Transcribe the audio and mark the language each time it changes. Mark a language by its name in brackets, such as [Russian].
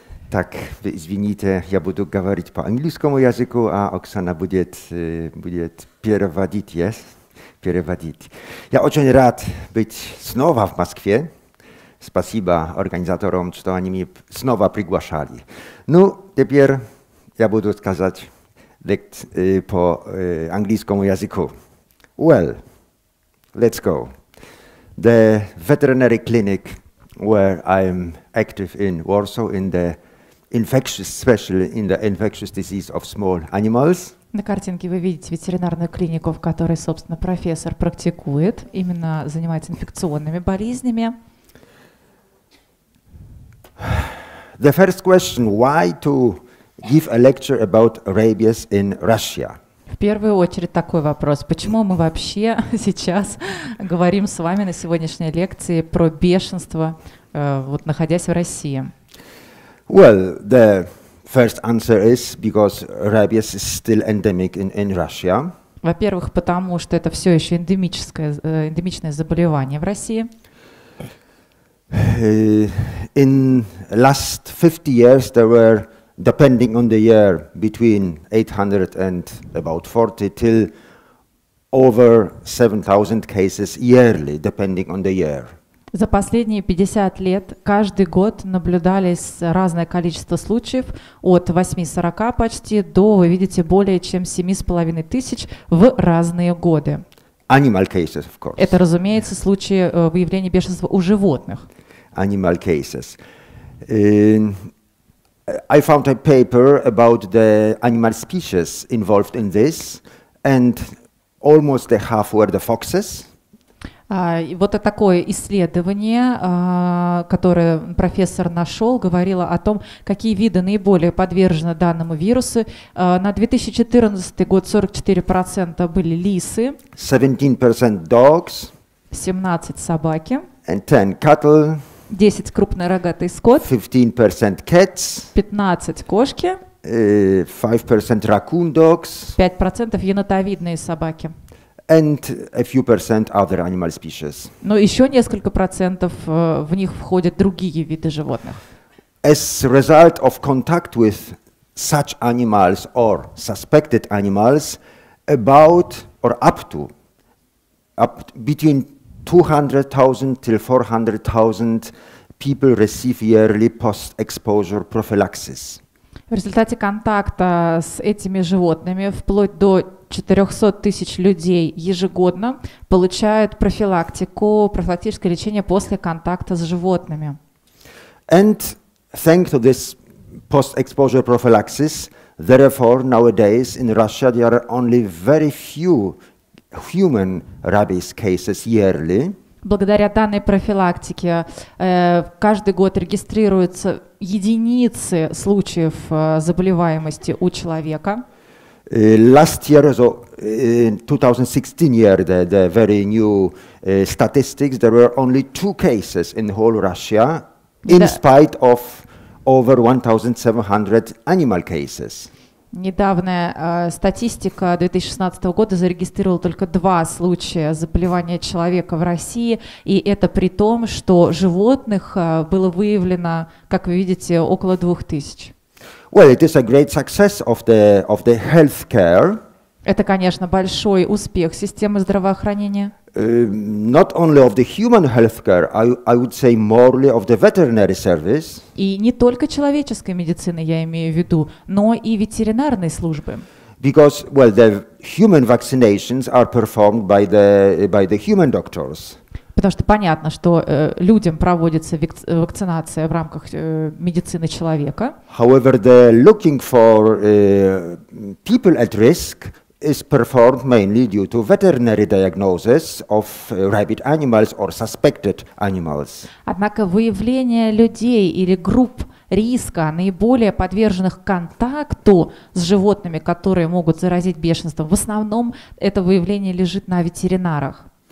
[Russian] Так, извините, я буду говорить по английскому языку, а Оксана будет переводить, yes? Переводить. Я очень рад быть снова в Москве. Спасибо организаторам, что они меня снова приглашали. Ну, теперь я буду сказать по английскому языку. [English] Well, let's go. The veterinary clinic where I'm active in Warsaw in the infectious, especially in the infectious disease of small animals. [Russian] На картинке вы видите ветеринарную клинику, в которой, собственно, профессор практикует, именно занимается инфекционными болезнями. [English] The first question, why to give a lecture about rabies in Russia? [Russian] В первую очередь такой вопрос, почему мы вообще сейчас говорим с вами на сегодняшней лекции про бешенство, вот находясь в России? [English] Well, the first answer is because rabies is still endemic in Russia. [Russian] Во-первых, потому что это все еще эндемичное заболевание в России. [English] In last 50 years there were, depending on the year, between 800 and about 40 till over 7,000 cases yearly, depending on the year. [Russian] За последние 50 лет каждый год наблюдались разное количество случаев от 8-40 почти до, вы видите, более чем 7500 в разные годы. [English] Animal cases, of course. [Russian] Это, разумеется, случаи выявления бешенства у животных. [English] Animal cases. I found a paper about the animal species involved in this, and almost the half were the foxes. [Russian] Вот такое исследование, которое профессор нашел, говорило о том, какие виды наиболее подвержены данному вирусу. На 2014 год 44% были лисы, [English] 17% dogs, [Russian] 17 собаки, [English] and 10 cattle, [Russian] 10 крупнорогатый скот, [English] 15% cats, [Russian] 15 кошки, [English] 5% raccoon dogs, [Russian] 5% енотовидные собаки. [English] And a few percent other animal species. [Russian] Но еще несколько процентов в них входят другие виды животных. [English] As a result of contact with such animals or suspected animals, about or up to between 200,000 till 400,000 people receive yearly post-exposure prophylaxis. [Russian] В результате контакта с этими животными вплоть до 400 тысяч людей ежегодно получают профилактическое лечение после контакта с животными. [English] And thanks to this post-exposure prophylaxis, therefore nowadays in Russia there are only very few human rabies cases yearly. [Russian] Благодаря данной профилактике каждый год регистрируются единицы случаев заболеваемости у человека. [English] Last year, so, 2016 year, the very new statistics, there were only 2 cases in whole Russia, in spite of over 1,700 animal cases. [Russian] Недавняя статистика 2016 года зарегистрировала только 2 случая заболевания человека в России, и это при том, что животных было выявлено, как вы видите, около 2000. [English] Well, it is a great success of the healthcare. [Russian] Это, конечно, большой успех системы здравоохранения. [English] Not only of the human healthcare, I would say morally of the veterinary service. [Russian] И не только человеческой медицины я имею в виду, но и ветеринарной службы. [English] Because, well, the human vaccinations are performed by the human doctors. [Russian] Потому что понятно, что людям проводится вакцинация в рамках медицины человека. [English] However, the looking for people at risk is performed mainly due to veterinary diagnosis of rabid animals or suspected animals. [Russian] Однако выявление людей или групп риска наиболее подверженных контакту с животными, которые могут заразить бешенством, в основном это выявление лежит на ветеринарах.